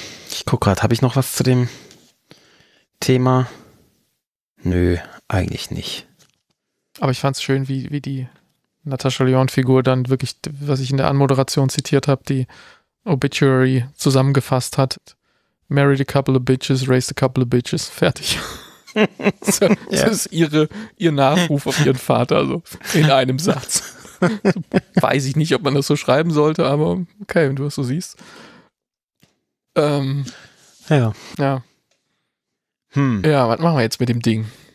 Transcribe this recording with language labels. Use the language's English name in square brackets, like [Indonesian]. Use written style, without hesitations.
[German] Ich guck gerade, habe ich noch was zu dem Thema? Nö, eigentlich nicht. Aber ich fand es schön, wie die Natascha Lyonne-Figur dann wirklich, was ich in der Anmoderation zitiert habe, die Obituary zusammengefasst hat. [English] Married a couple of bitches, raised a couple of bitches. [German] Fertig. Das ja. ist ihr Nachruf auf ihren Vater, so in einem Satz. Weiß ich nicht, ob man das so schreiben sollte, aber okay, wenn du das so siehst. Ja. Ja, was machen wir jetzt mit dem Ding?